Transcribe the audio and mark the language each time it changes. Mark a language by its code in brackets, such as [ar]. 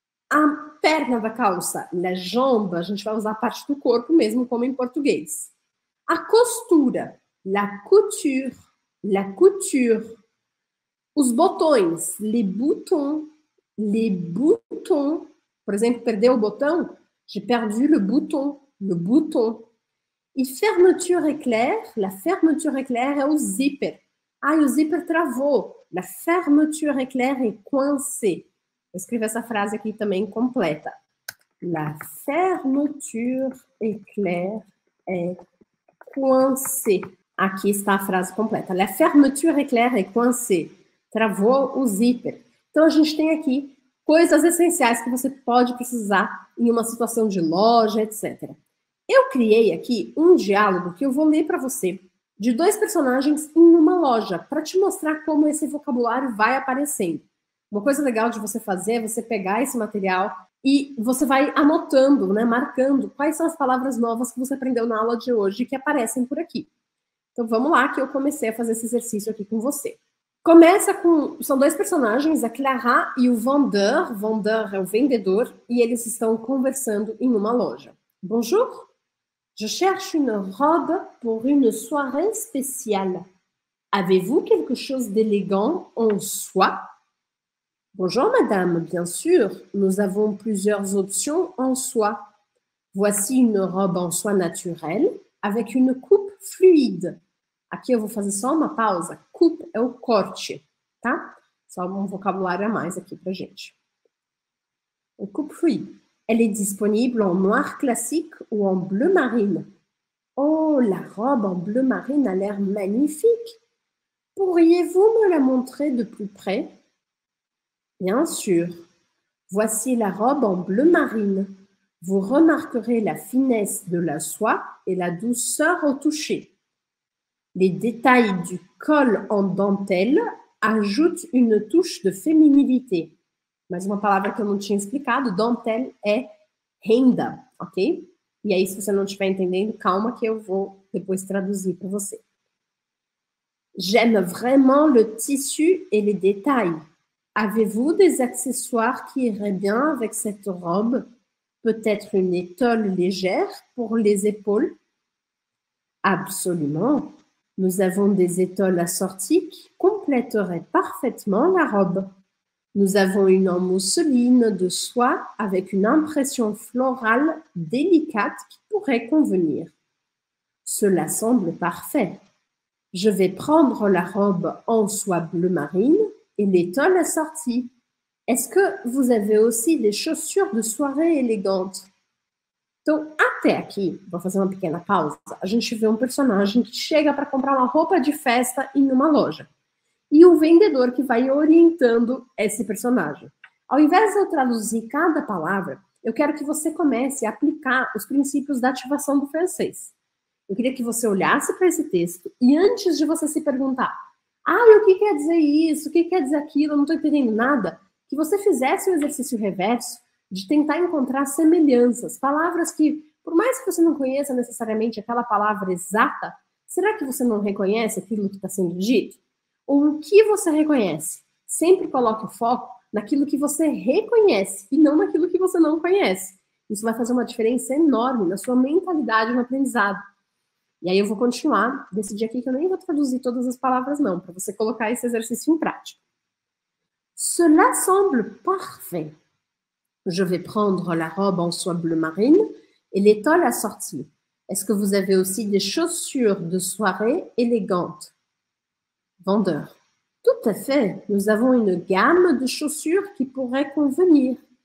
[pt] A perna da calça, [fr] la jambe, [pt] a gente vai usar a parte do corpo mesmo, como em português. A costura, [fr] la couture, la couture. [pt] Os botões, [fr] les boutons, [pt] por exemplo, perdeu o botão? [fr] J'ai perdu le bouton, le bouton. E fermeture éclair, la fermeture éclair [pt] é o zíper. Ah, o zíper travou. [fr] La fermeture éclair est coincée. [pt] Eu escrevi essa frase aqui também completa. [fr] La fermeture éclair est coincée. [pt] Aqui está a frase completa. [fr] La fermeture éclair est coincée. [pt] Travou o zíper. Então a gente tem aqui coisas essenciais que você pode precisar em uma situação de loja, etc. Eu criei aqui um diálogo que eu vou ler para você, de dois personagens em uma loja, para te mostrar como esse vocabulário vai aparecendo. Uma coisa legal de você fazer é você pegar esse material e você vai anotando, né, marcando quais são as palavras novas que você aprendeu na aula de hoje que aparecem por aqui. Então vamos lá, que eu comecei a fazer esse exercício aqui com você. Começa com, são dois personagens, a Clara e o Vendeur. Vendeur é o vendedor e eles estão conversando em uma loja. [fr] Bonjour, je cherche une robe pour une soirée spéciale. Avez-vous quelque chose d'élégant en soie? Bonjour, madame, bien sûr, nous avons plusieurs options en soie. Voici une robe en soie naturelle avec une coupe fluide. [pt] Aqui eu vou fazer só uma pausa. Coupe é o corte, tá? Só um vocabulário a mais aqui pra gente. O coupe fluide. [fr] Elle est disponible en noir classique ou en bleu marine. Oh, la robe en bleu marine a l'air magnifique. Pourriez-vous me la montrer de plus près? Bien sûr. Voici la robe en bleu marine. Vous remarquerez la finesse de la soie et la douceur au toucher. Les détails du col en dentelle ajoutent une touche de féminilité. [pt] Mais uma palavra que eu não tinha explicado, dentelle é renda, ok? E aí, se você não estiver entendendo, calma que eu vou depois traduzir para você. [fr] J'aime vraiment le tissu et les détails. Avez-vous des accessoires qui iraient bien avec cette robe? Peut-être une étole légère pour les épaules? Absolument. Nous avons des étoles assorties qui compléteraient parfaitement la robe. Nous avons une en mousseline de soie avec une impression florale délicate qui pourrait convenir. Cela semble parfait. Je vais prendre la robe en soie bleu marine et l'étole assortie. Est-ce que vous avez aussi des chaussures de soirée élégantes? [pt] Então, até aqui, vou fazer uma pequena pausa. A gente vê um personagem que chega para comprar uma roupa de festa em uma loja. E o vendedor que vai orientando esse personagem. Ao invés de eu traduzir cada palavra, eu quero que você comece a aplicar os princípios da ativação do francês. Eu queria que você olhasse para esse texto e antes de você se perguntar: ah, o que quer dizer isso? O que quer dizer aquilo? Eu não estou entendendo nada. Que você fizesse o exercício reverso. De tentar encontrar semelhanças, palavras que, por mais que você não conheça necessariamente aquela palavra exata, será que você não reconhece aquilo que está sendo dito? Ou o que você reconhece? Sempre coloque o foco naquilo que você reconhece e não naquilo que você não conhece. Isso vai fazer uma diferença enorme na sua mentalidade no aprendizado. E aí eu vou continuar desse dia aqui que eu nem vou traduzir todas as palavras, não, para você colocar esse exercício em prática. [fr] Cela semble parfait. Je vais prendre la robe en soie bleu marine et l'étole assortie. Est-ce que vous avez aussi des chaussures de soirée élégantes? Vendeur. Tout à fait. Nous avons une gamme de chaussures qui pourraient convenir.